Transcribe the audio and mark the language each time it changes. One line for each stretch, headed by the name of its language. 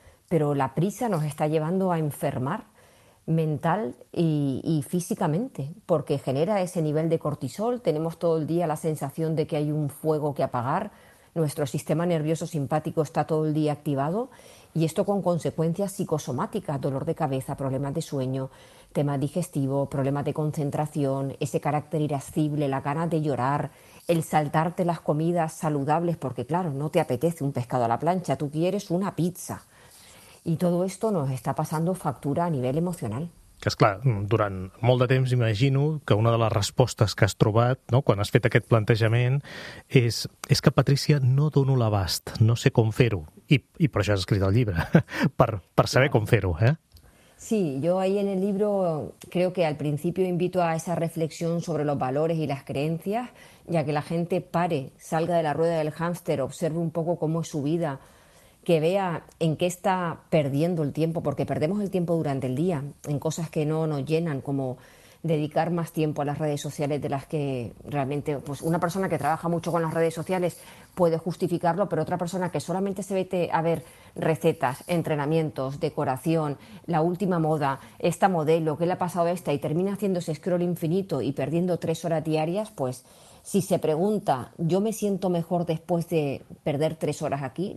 Spanish: Pero la prisa nos está llevando a enfermar mental y físicamente, porque genera ese nivel de cortisol, tenemos todo el día la sensación de que hay un fuego que apagar, nuestro sistema nervioso simpático está todo el día activado y esto con consecuencias psicosomáticas, dolor de cabeza, problemas de sueño, tema digestivo, problemas de concentración, ese carácter irascible, la gana de llorar, el saltarte las comidas saludables, porque claro, no te apetece un pescado a la plancha, tú quieres una pizza. Y todo esto nos está pasando factura a nivel emocional.
Catalan: Que és clar, durant molt de temps imagino que una de les respostes que has trobat, no, quan has fet aquest plantejament, és que, Patricia, no dono l'abast, no sé com fer-ho. I per això has escrit el llibre, per saber com fer-ho, eh?
Spanish: Sí, yo ahí en el libro creo que al principio invito a esa reflexión sobre los valores y las creencias, ya que la gente pare, salga de la rueda del hámster, observe un poco cómo es su vida, que vea en qué está perdiendo el tiempo, porque perdemos el tiempo durante el día en cosas que no nos llenan, como dedicar más tiempo a las redes sociales de las que realmente, pues una persona que trabaja mucho con las redes sociales puede justificarlo, pero otra persona que solamente se vete a ver recetas, entrenamientos, decoración, la última moda, esta modelo, qué le ha pasado a esta y termina haciéndose scroll infinito y perdiendo 3 horas diarias, pues si se pregunta, ¿yo me siento mejor después de perder 3 horas aquí?